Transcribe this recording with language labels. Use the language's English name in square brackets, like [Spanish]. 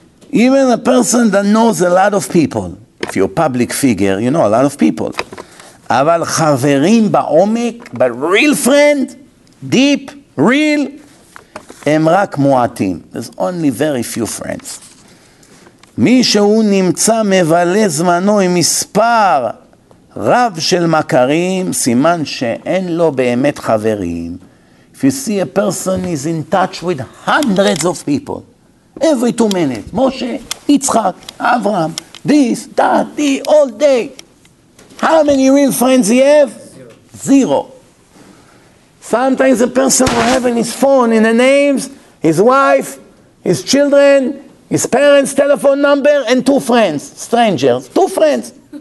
[English] Even a person that knows a lot of people, if you're a public figure, you know a lot of people. [Hebrew] Aval chaverim ba'omek, [English] but real friend, deep, real, [Hebrew] em rak mu'atim. [English] There's only very few friends. [Hebrew] מי שהוא נמצא מבלה זמנו עם מספר רב של מכרים, סימן שאין לו באמת חברים. [English] If you see a person is in touch with hundreds of people, every 2 minutes, Moshe, Yitzchak, Avram, this, that, the, all day. How many real friends he have? Zero. Sometimes a person will have in his phone in the names, his wife, his children, his parents' telephone number and two friends, strangers, two friends.